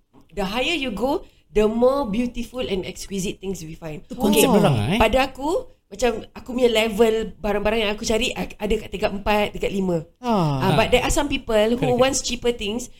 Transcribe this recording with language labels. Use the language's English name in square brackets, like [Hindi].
[English] The higher you go, the more beautiful and exquisite things we find. [Malay] Itu konsep orang lah. Pada aku, macam aku punya level barang-barang yang aku cari, ada kat tingkat 4, tingkat 5. [English] But there are some people who wants cheaper things.